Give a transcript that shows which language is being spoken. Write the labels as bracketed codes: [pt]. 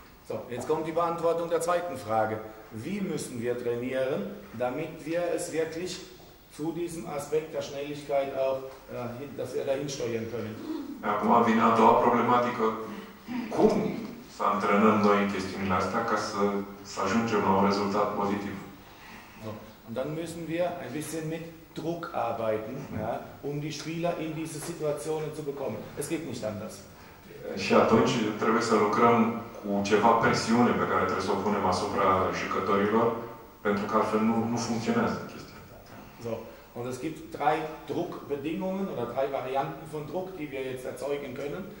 [de] So, jetzt kommt die Beantwortung der zweiten Frage. Wie müssen wir trainieren, damit wir es wirklich zu diesem Aspekt der Schnelligkeit auch, dass wir dahin steuern können? [ro] Acum vine a doua problematică. Cum să antrenăm noi chestiunile astea ca să ajungem la un rezultat pozitiv. [de] So. Und dann müssen wir ein bisschen mit Druck arbeiten, ja, um die Spieler in diese Situationen zu bekommen. Es geht nicht anders. [ro] Și atunci trebuie să lucrăm cu ceva presiune pe care trebuie să o punem asupra jucătorilor, pentru că altfel nu funcționează chestia. [de] So. Und es gibt drei Druckbedingungen oder drei Varianten von Druck, die wir jetzt erzeugen können.